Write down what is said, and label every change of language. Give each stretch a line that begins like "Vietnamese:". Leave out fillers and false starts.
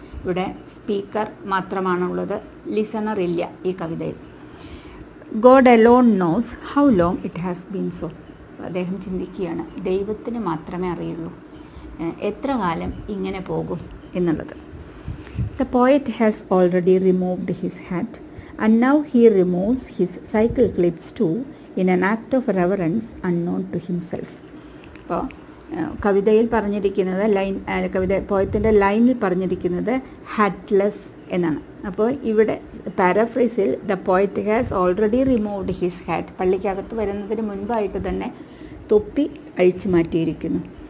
Malayalam: ഇവിടെ സ്പീക്കർ മാത്രമാണുള്ളത്, ലിസണർ ഇല്ല ഈ കവിതയിൽ.
English: God alone knows how long it has been so.
Malayalam: അദ്ദേഹം ചിന്തിക്കുകയാണ്, ദൈവത്തിന് മാത്രമേ അറിയുള്ളൂ എത്ര കാലം ഇങ്ങനെ പോകും എന്നുള്ളത്.
English: The poet has already removed his hat and now he removes his cycle clips too in an act of reverence unknown to himself.
Malayalam: അപ്പോൾ കവിതയിൽ പറഞ്ഞിരിക്കുന്നത്, ലൈൻ കവിത പോയത്തിൻ്റെ ലൈനിൽ പറഞ്ഞിരിക്കുന്നത് ഹാറ്റ്ലെസ് എന്നാണ്. അപ്പോൾ ഇവിടെ പാരഫ്രേസിൽ
English: the poet has already removed his hat,
Malayalam: പള്ളിക്കകത്ത് വരുന്നതിന് മുൻപായിട്ട് തന്നെ തൊപ്പി അഴിച്ചു മാറ്റിയിരിക്കുന്നു.